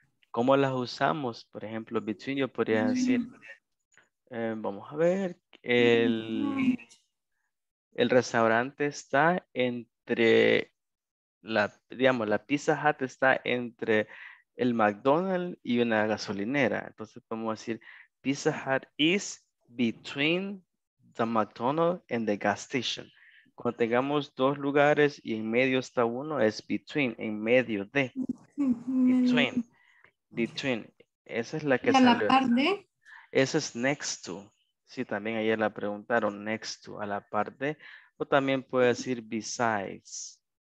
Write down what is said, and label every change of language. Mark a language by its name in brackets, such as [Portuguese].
[Spanish] ¿Cómo las usamos? Por ejemplo, between, yo podría decir, vamos a ver, el restaurante está entre, la Pizza Hut está entre el McDonald's y una gasolinera. Entonces, podemos decir, [English] Pizza Hut is between the McDonald's and the gas station. [Spanish] Cuando tengamos dos lugares y en medio está uno, es between, en medio de. Between. Between. Esa es la que salió. ¿A la par de? Esa es next to. Sí, también ayer la preguntaron, next to, a la par de. O también puede decir besides.